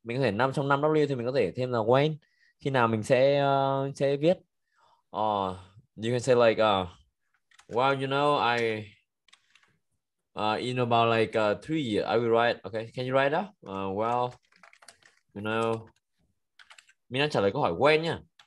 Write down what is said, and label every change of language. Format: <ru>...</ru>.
<vi>Mình có thể năm trong 5W thì mình có thể thêm là when. Khi nào mình sẽ viết.</vi> <en>You can say like, well, you know, I in about like 3 years I will write. Okay, can you write that? Well, you know,</en> <vi>mình đang trả lời câu hỏi when nha.</vi>